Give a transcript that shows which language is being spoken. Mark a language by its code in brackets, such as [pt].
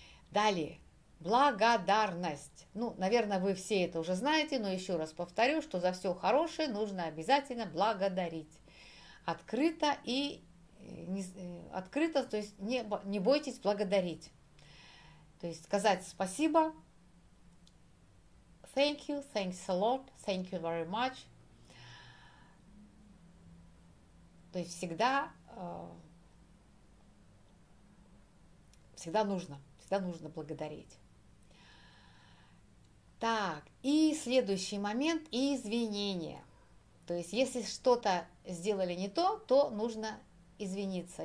[ru] Далее. Благодарность. Ну, наверное, вы все это уже знаете, но еще раз повторю, что за все хорошее нужно обязательно благодарить. Открыто, то есть не бойтесь благодарить. То есть сказать спасибо. [en] Thank you, thanks a lot, thank you very much. [ru] То есть всегда нужно благодарить. Так, и следующий момент – извинения. То есть если что-то сделали не то, то нужно извиниться.